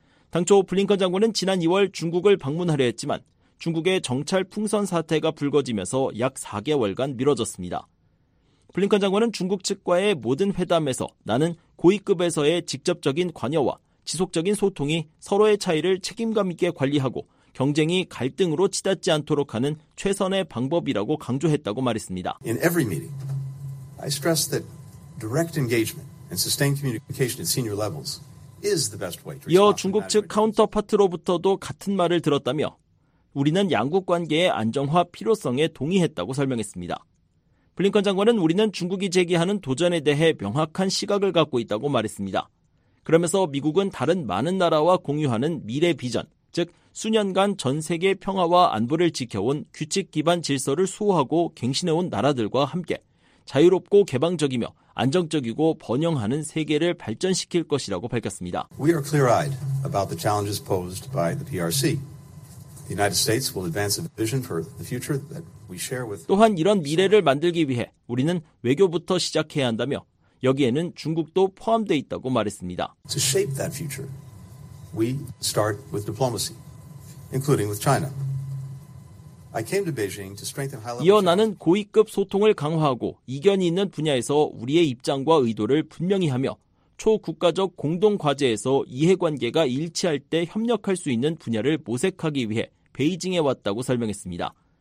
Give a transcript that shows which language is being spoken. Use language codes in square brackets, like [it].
[ko] 당초 블링컨 장관은 지난 2월 중국을 방문하려 했지만 중국의 정찰 풍선 사태가 불거지면서 약 4개월간 미뤄졌습니다. 블링컨 장관은 중국 측과의 모든 회담에서 나는 고위급에서의 직접적인 관여와 지속적인 소통이 서로의 차이를 책임감 있게 관리하고 경쟁이 갈등으로 치닫지 않도록 하는 최선의 방법이라고 강조했다고 말했습니다. [en] In every meeting, I stress that direct engagement and sustained communication at senior levels is the best way to. [ko] 이어 중국 측 카운터파트로부터도 같은 말을 들었다며 우리는 양국 관계의 안정화 필요성에 동의했다고 설명했습니다. 블링컨 장관은 우리는 중국이 제기하는 도전에 대해 명확한 시각을 갖고 있다고 말했습니다. 그러면서 미국은 다른 많은 나라와 공유하는 미래 비전, 즉 수년간 전 세계 평화와 안보를 지켜온 규칙 기반 질서를 수호하고 갱신해온 나라들과 함께 자유롭고 개방적이며 안정적이고 번영하는 세계를 발전시킬 것이라고 밝혔습니다. [en] We are clear-eyed about the challenges posed by the PRC. The United States will advance a vision for the future that we share with. [ko] 또한 이런 미래를 만들기 위해 우리는 외교부터 시작해야 한다며 여기에는 중국도 포함돼 있다고 말했습니다. [en] To shape that future, we start with diplomacy, including with China. I came to Beijing to strengthen high-level. [ko] 이어 나는 고위급 소통을 강화하고 이견이 있는 분야에서 우리의 입장과 의도를 분명히 하며 초국가적 공동과제에서 이해관계가 일치할 때 협력할 수 있는 분야를 모색하기 위해 베이징에 왔다고 설명했습니다.